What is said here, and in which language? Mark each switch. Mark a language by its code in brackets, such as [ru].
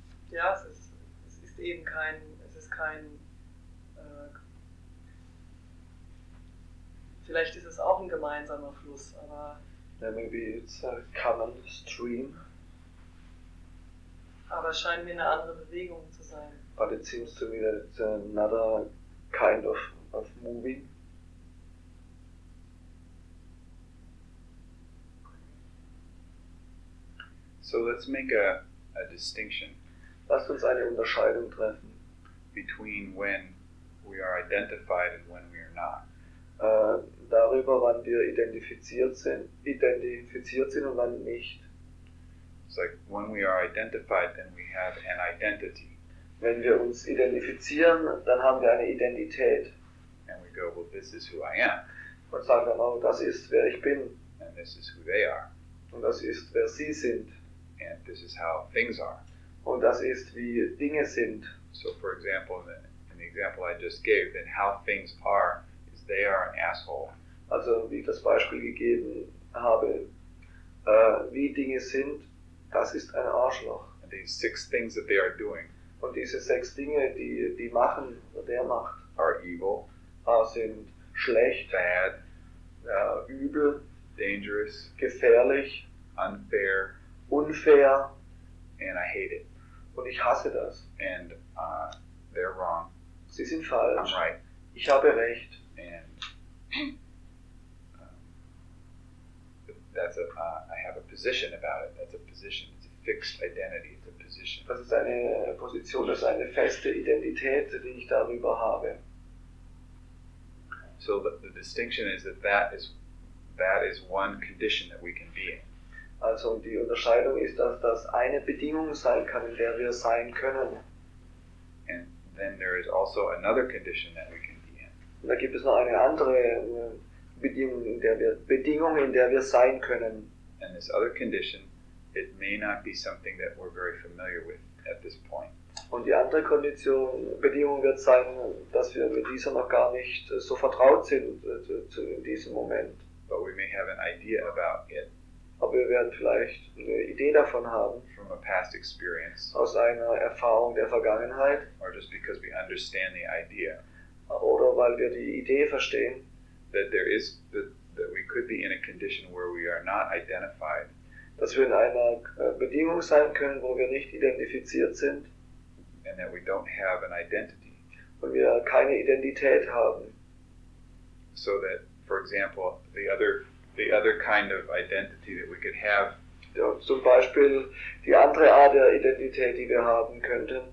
[de] Ja, es ist eben kein, es ist kein, vielleicht ist es auch ein gemeinsamer Fluss, aber... [en] Yeah, maybe it's a common stream. [de] Aber es scheint mir eine andere Bewegung zu sein. [en] But it seems to me that it's another kind of moving. So let's make a distinction. [de] Lasst uns eine Unterscheidung treffen. [en] Between when we are identified and when we are not. [de] Darüber, wann wir identifiziert sind und wann nicht. [en] It's like when we are identified, then we have an identity. [de] Wenn wir uns identifizieren, dann haben wir eine Identität. [en] And we go, well, this is who I am. [de] Und sagen dann, oh, das ist, wer ich bin. [en] And this is who they are. [de] Und das ist, wer sie sind. [en] And this is how things are. [de] Und das ist, wie Dinge sind. [en] So for example, in the example I just gave, then how things are is they are an asshole. [de] Also wie ich das Beispiel gegeben habe, wie Dinge sind, das ist ein Arschloch. [en] And these six things that they are doing. [de] Und diese sechs Dinge, die machen, der macht, [en] are evil, [de] sind schlecht, [en] bad, [de] übel, [en] dangerous, [de] gefährlich, [en] unfair, [de] unfair, [en] and I hate it. [de] Und ich hasse das. [en] And they're wrong. [de] Sie sind falsch. [en] I'm right. [de] Ich habe recht. [en] And that's I have a position about it. That's a position. It's a fixed identity. It's a position. [de] Das ist eine Position. Das ist eine feste Identität, die ich darüber habe. [en] So the distinction is that is one condition that we can be in. [de] Also die Unterscheidung ist, dass das eine Bedingung sein kann, in der wir sein können. [en] And then there is also another condition that we can be in. [de] Und da gibt es noch eine andere Bedingung, in der wir sein können. [en] And this other condition, it may not be something that we're very familiar with at this point. [de] Und die andere Bedingung wird sein, dass wir mit dieser noch gar nicht so vertraut sind in diesem Moment. [en] But we may have an idea about it. [de] Aber wir werden vielleicht eine Idee davon haben, [en] from a past experience, [de] aus einer Erfahrung der Vergangenheit, [en] or just because we understand the idea, [de] oder weil wir die Idee verstehen, [en] that we could be in a condition where we are not identified, [de] dass wir in einer Bedingung sein können, wo wir nicht identifiziert sind, [en] and that we don't have an identity, [de] und wir keine Identität haben. [en] So that, for example, the other kind of identity that we could have, [de] ja, zum Beispiel die andere Art der Identität, die wir haben könnten,